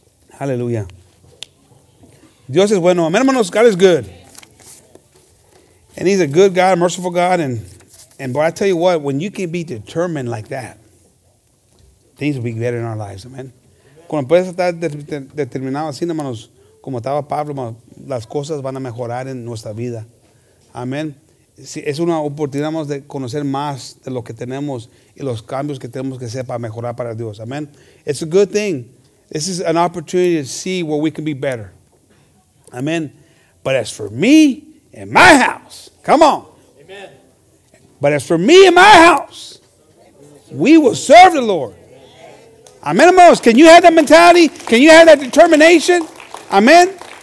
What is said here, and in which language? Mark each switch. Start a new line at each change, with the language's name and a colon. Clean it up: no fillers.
Spanish: Hallelujah. Dios es bueno. Amen, hermanos.
English: God is good. And he's a good God, a merciful God. And boy, I tell you what, when you can be determined like that, things will be better in our lives. Amen.
Spanish: Cuando puedes estar determinado así, hermanos, como estaba Pablo, las cosas van a mejorar en nuestra vida. Amen. Es una oportunidad de conocer más de lo que tenemos y los cambios que tenemos que hacer para mejorar para Dios.
English: Amen. It's a good thing. This is an opportunity to see where we can be better. Amen. But as for me and my house, come on. Amen. But as for me and my house, we will serve the Lord. Amen. Amen. Can you have that mentality? Can you have that determination? Amen.